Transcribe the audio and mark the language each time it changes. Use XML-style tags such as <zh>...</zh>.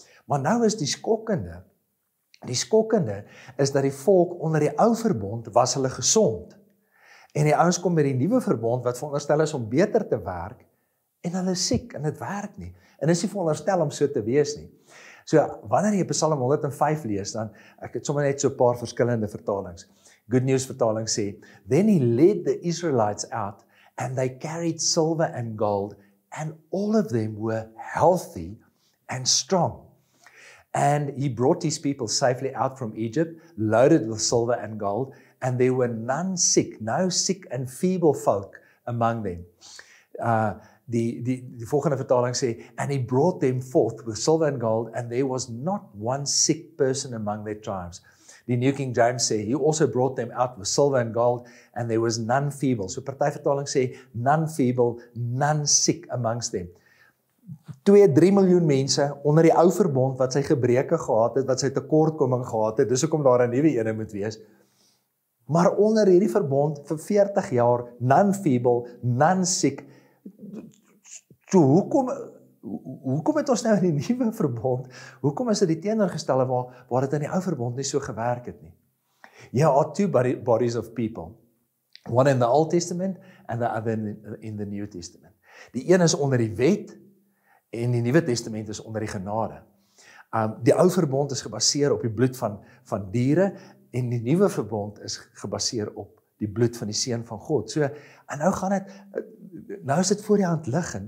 <af>Maar nou is die skokkende is dat die volk onder die ou verbond was hulle gesond. En die ouens kom met die nuwe verbond wat veronderstel is om beter te werk en hulle is siek en dit werk nie. En is nie veronderstel om so te wees nie. So, wanneer jy Psalm 105 lees, dan, ek het sommer net so 'n paar verskillende vertalings. Good News vertaling sê,</af> <en>"Then he led the Israelites out, and they carried silver and gold, and all of them were healthy and strong. And he brought his people safely out from Egypt, loaded with silver and gold, and there were none sick, no sick and feeble folk among them."</en> <af>Die volgende vertaling sê,</af> <en>"And he brought them forth with silver and gold, and there was not one sick person among their tribes."</en> <af>Die New King James sê,</af> <en>"He also brought them out with silver and gold, and there was none feeble."</en> <af>So party vertaling sê,</af> <en>"None feeble, none sick amongst them."</en> <af>2-3 miljoen mense onder die ou verbond wat sy gebreke gehad het, wat sy tekortkoming gehad het, dis hoekom daar 'n nuwe een moet wees. Maar onder hierdie verbond vir 40 jaar,</af> <en>none feeble, none sick.</en> <af>So hoekom het ons nou in die nuwe verbond, hoekom is dit die teenoorgestelde waar dit in die ou verbond nie so gewerk het nie?</af> <en>You are two bodies of people. One in the Old Testament and the other in the New Testament.</en> <af>Die een is onder die wet en die Nuwe Testament is onder die genade. Die ou verbond is gebaseer op die bloed van diere en die nuwe verbond is gebaseer op die bloed van die Seun van God. So, en nou gaan dit, nou is dit voor die hand liggend.</af>